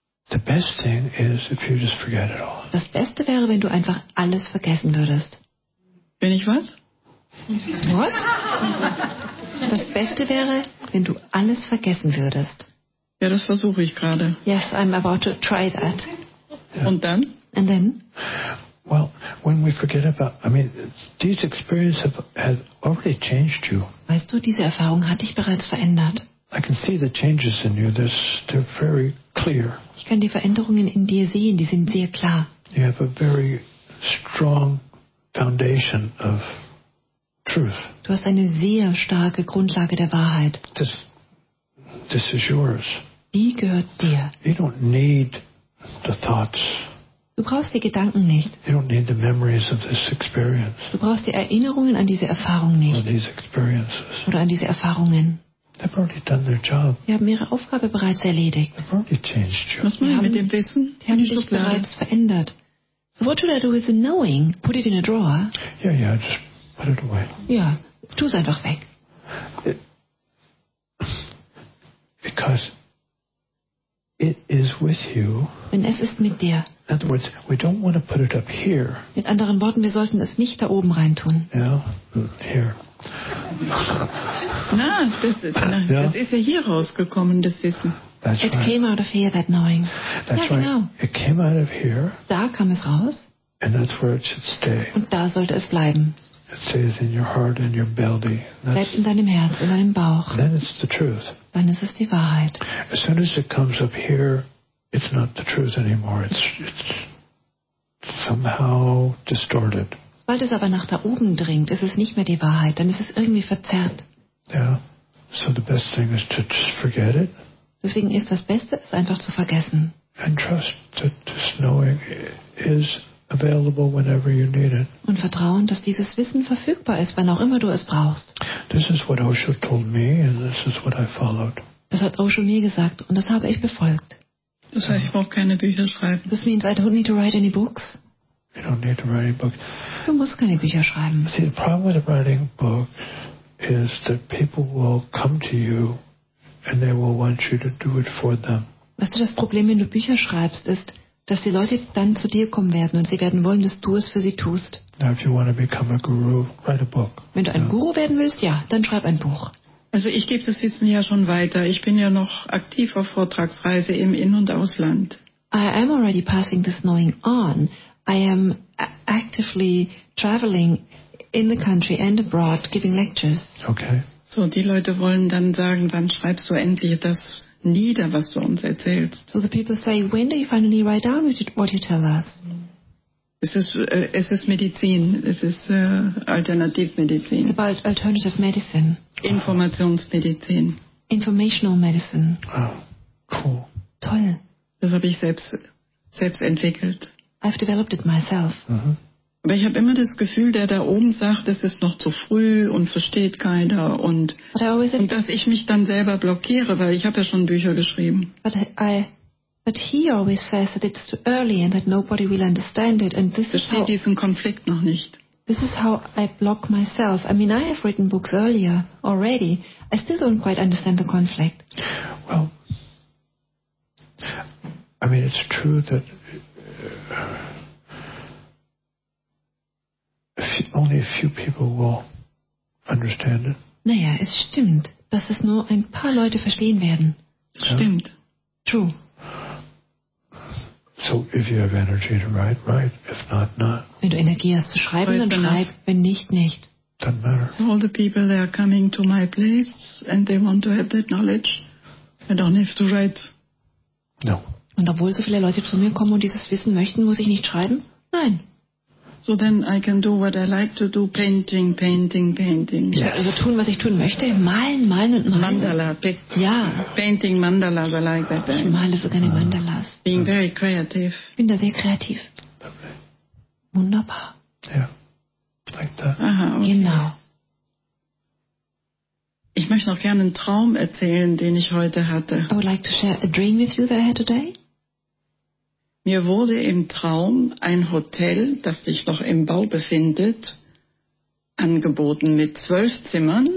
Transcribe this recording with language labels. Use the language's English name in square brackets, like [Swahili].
[English] The best thing is if you just forget it all. [German] Das Beste wäre, wenn du einfach alles vergessen würdest. Wenn ich was? [English] What? [German] Das Beste wäre, wenn du alles vergessen würdest. Ja, das versuche ich gerade. [English] Yes, I'm about to try that. Yeah. [German] Und dann? [English] And then? Well, when we forget about, I mean, these experiences have already changed you. [German] Weißt du, diese Erfahrung hat dich bereits verändert. [English] I can see the changes in you. They're very clear. [German] Ich kann die Veränderungen in dir sehen. Die sind sehr klar. [English] You have a very strong foundation of truth. [German] Du hast eine sehr starke Grundlage der Wahrheit. [English] This is yours. [German] Die gehört dir. [English] You don't need the thoughts. [German] Du brauchst die Gedanken nicht. [English] You don't need the memories of this experience. [German] Du brauchst die Erinnerungen an diese Erfahrung nicht. [English] Or these experiences. [German] Oder an diese Erfahrungen. [English] They've already done their job. Die haben ihre Aufgabe bereits erledigt. They've already changed you. [German] Was meinst du mit dem Wissen? Die haben dich bereits verändert. [English] So what should I do with the knowing? Put it in a drawer? Yeah, yeah, just put it away. Yeah, [German] tu es einfach weg. [English] Because it is with you. [German] Denn es ist mit dir. [English] In other words, we don't want to put it up here. [German] Mit anderen Worten, wir sollten es nicht da oben reintun. [English] Yeah, here. [German] Na, das ist ja hier rausgekommen, das Wissen. [English] That's it right. Came out of here, that knowing. That's yeah, right. Know. It came out of here. [German] Da kam es raus. [English] And that's where it should stay. [German] Und da sollte es bleiben. [English] It stays in your heart and your belly. [German] Bleibt in deinem Herz, in deinem Bauch. [English] Then it's the truth. [German] Dann ist es die Wahrheit. [English] As soon as it comes up here, it's not the truth anymore. It's somehow distorted. [German] Sobald es aber nach da oben dringt, ist es nicht mehr die Wahrheit. Dann ist es irgendwie verzerrt. [English] Yeah. So the best thing is to just forget it. [German] Deswegen ist das Beste, es einfach zu vergessen. [English] And trust that this knowing is available whenever you need it. [German] Und vertrauen, dass dieses Wissen verfügbar ist, wann auch immer du es brauchst. [English] This is what Osho told me, and this is what I followed. [German] Das hat Osho mir gesagt, und das habe ich befolgt. Das heißt, ich brauche keine Bücher schreiben. [English] This means I don't need to write any books. You don't need to write any books. [German] Du musst keine Bücher schreiben. [English] See, the problem with writing books is that people will come to you and they will want you to do it for them. [German] Weißt du, das Problem, wenn du Bücher schreibst, ist, dass die Leute dann zu dir kommen werden und sie werden wollen, dass du es für sie tust. [English] Now, if you want to become a guru, write a book. [German] Wenn du ein Guru werden willst, ja, dann schreib ein Buch. Also ich gebe das Wissen ja schon weiter. Ich bin ja noch aktiv auf Vortragsreise im In- und Ausland. [English] I am already passing this knowing on. I am actively traveling in the country and abroad, giving lectures. Okay. [German] So, die Leute wollen dann sagen, wann schreibst du endlich das nieder, was du uns erzählst? [English] So the people say, when do you finally write down what you tell us? [German] Es ist Medizin. Es ist Alternativmedizin. [English] It's about alternative medicine. [German] Informationsmedizin. [English] Informational medicine. Oh, cool. [German] Toll. Das habe ich selbst entwickelt. [English] I've developed it myself. Mhm. [German] Aber ich habe immer das Gefühl, der da oben sagt, es ist noch zu früh und versteht keiner. Und dass ich mich dann selber blockiere, weil ich habe ja schon Bücher geschrieben. [English] But he always says that it's too early and that nobody will understand it. And this [German] versteht [English] how, [German] diesen Konflikt noch nicht. [English] This is how I block myself. I mean, I have written books earlier already. I still don't quite understand the conflict. Well, I mean, it's true that only a few people will understand it. [German] Naja, es stimmt, dass es nur ein paar Leute verstehen werden. [English] Yeah. [German] Stimmt. [English] True. So if you have energy to write, write. If not, not. [German] Wenn du Energie hast zu schreiben, dann schreib. Wenn nicht, nicht. [English] Doesn't matter. All the people that are coming to my place and they want to have that knowledge, I don't have to write. No. [German] Und obwohl so viele Leute zu mir kommen und dieses Wissen möchten, muss ich nicht schreiben? Nein. [English] So then I can do what I like to do, painting, painting, painting. [German] Ja, also tun, was ich tun möchte, malen, malen und malen. Mandala, ja. [English] Painting mandalas, I like that. [German] Ich male so gerne Mandalas. [English] Being very creative. [German] Ich bin da sehr kreativ. [English] Okay. [German] Wunderbar. Ja, [English] yeah. Like that. [German] Aha, okay. Genau. Ich möchte noch gerne einen Traum erzählen, den ich heute hatte. [English] I would like to share a dream with you that I had today. [German] Mir wurde im Traum ein Hotel, das sich noch im Bau befindet, angeboten mit 12 Zimmern.